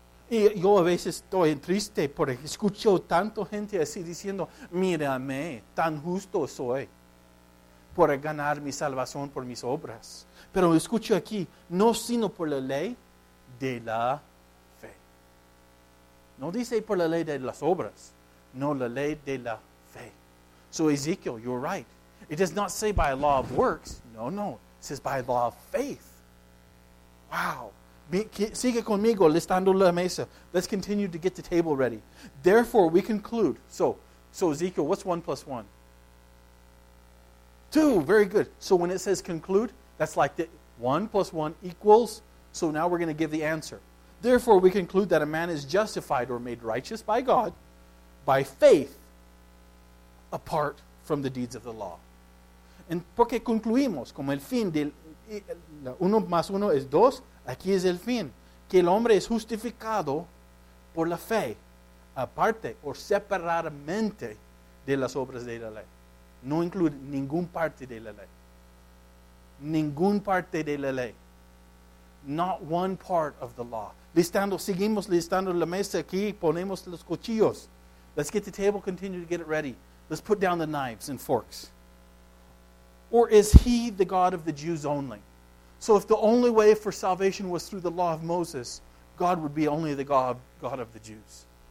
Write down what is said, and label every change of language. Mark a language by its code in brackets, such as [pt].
[es] Y yo a veces estoy triste porque escucho tanto gente así diciendo, mírame, tan justo soy por ganar mi salvación por mis obras. Pero escucho aquí, no sino por la ley de la fe. No dice por la ley de las obras, no la ley de la fe. [en] So Ezekiel, you're right. It does not say by law of works. No, no. It says by law of faith. Wow. [es] Sigue conmigo listando la mesa. [en] Let's continue to get the table ready. Therefore, we conclude. So Ezekiel, what's 1 plus 1? 2. Very good. So when it says conclude, that's like the 1 plus 1 equals. So now we're going to give the answer. Therefore, we conclude that a man is justified or made righteous by God by faith apart from the deeds of the law. [es] And porque concluimos como el fin del 1 más 1 es 2. Aquí es el fin, que el hombre es justificado por la fe, aparte o separadamente de las obras de la ley. No incluye ningún parte de la ley. Ningún parte de la ley. [en] Not one part of the law. [es] Listando, seguimos listando la mesa aquí, ponemos los cuchillos. [en] Let's get the table, continue to get it ready. Let's put down the knives and forks. Or is he the God of the Jews only? So if the only way for salvation was through the law of Moses, God would be only the God of the Jews.